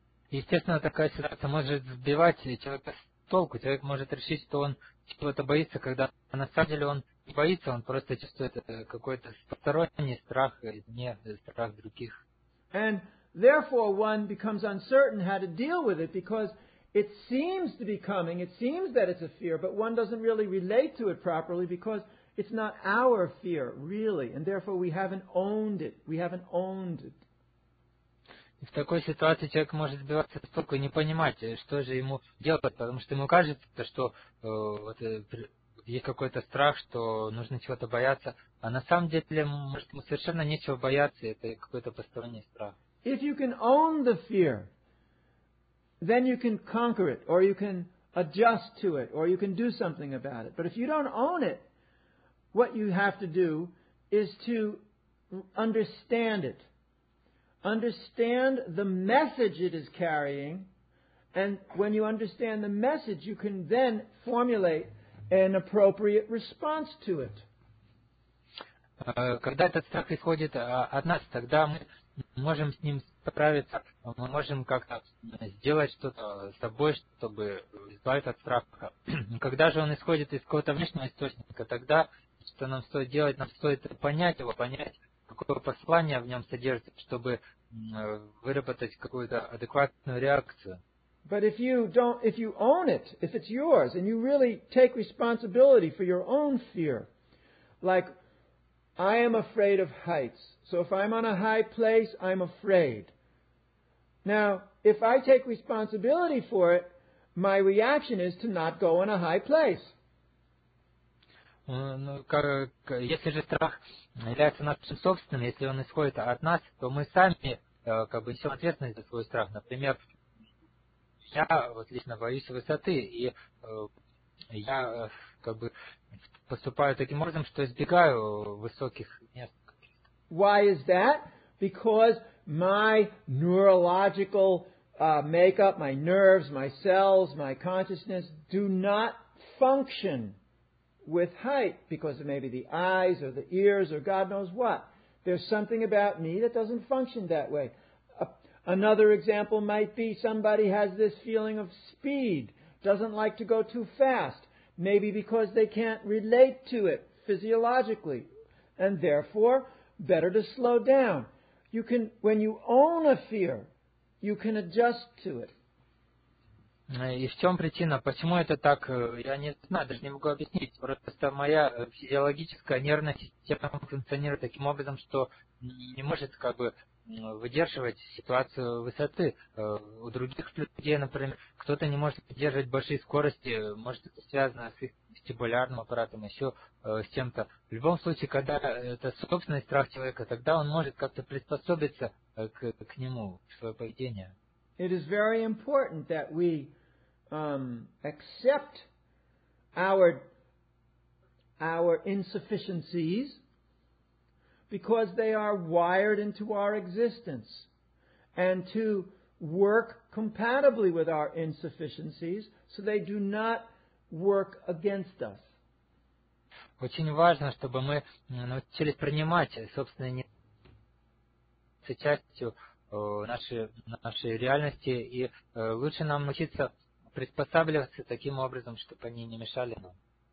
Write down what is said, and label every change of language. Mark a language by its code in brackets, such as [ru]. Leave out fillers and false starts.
[ru] Естественно, такая ситуация может сбивать человека с толку. Человек может решить, что он чего-то боится, когда на самом деле он не боится, он просто чувствует какой-то посторонний страх, не страх других. [en] And therefore one becomes uncertain how to deal with it, because it seems to be coming, it seems that it's a fear, but one doesn't really relate to it properly, because it's not our fear, really, and therefore we haven't owned it, we haven't owned it. [ru] В такой ситуации человек может сбиваться с толку и не понимать, что же ему делать, потому что ему кажется, что вот, есть какой-то страх, что нужно чего-то бояться, а на самом деле, может, ему совершенно нечего бояться, это какой-то посторонний страх. [en] If you can own the fear, then you can conquer it, or you can adjust to it, or you can do something about it. But if you don't own it, what you have to do is to understand it. Understand the message it is carrying, and when you understand the message, you can then formulate an appropriate response to it. [ru] Когда этот страх исходит от нас, тогда мы можем с ним справиться, мы можем как-то сделать что-то с собой, чтобы избавиться от страха. Когда же он исходит из какого-то внешнего источника, тогда что нам стоит делать? Нам стоит понять его, понять, какое послание в нем содержится, чтобы выработать какую-то адекватную реакцию. [en] But if you own it, if it's yours, and you really take responsibility for your own fear, like, I am afraid of heights, so if I'm on a high place, I'm afraid. Now, if I take responsibility for it, my reaction is to not go on a high place. [ru] Ну, если же страх является нашим собственным, если он исходит от нас, то мы сами как бы несем ответственность за свой страх. Например, я вот лично боюсь высоты, и я как бы поступаю таким образом, что избегаю высоких мест. [en] Why is that? Because my neurological makeup, my nerves, my cells, my consciousness do not function with height, because of maybe the eyes or the ears or God knows what. There's something about me that doesn't function that way. Another example might be somebody has this feeling of speed, doesn't like to go too fast, maybe because they can't relate to it physiologically, and therefore better to slow down. You can, when you own a fear, you can adjust to it. [ru] И в чем причина? Почему это так? Я не знаю, даже не могу объяснить. Просто моя физиологическая нервная система функционирует таким образом, что не может как бы выдерживать ситуацию высоты. У других людей, например, кто-то не может поддерживать большие скорости, может это связано с их вестибулярным аппаратом, еще с чем-то. В любом случае, когда это собственный страх человека, тогда он может как-то приспособиться к нему, в свое поведение. [en] It is very important that we accept our insufficiencies, because they are wired into our existence. And to work compatibly with our insufficiencies, so they do not work against us. [ru] Очень важно, чтобы мы научились принимать собственные недостатки частью нашей реальности, и лучше нам учиться приспосабливаться таким образом, чтобы они не мешали нам.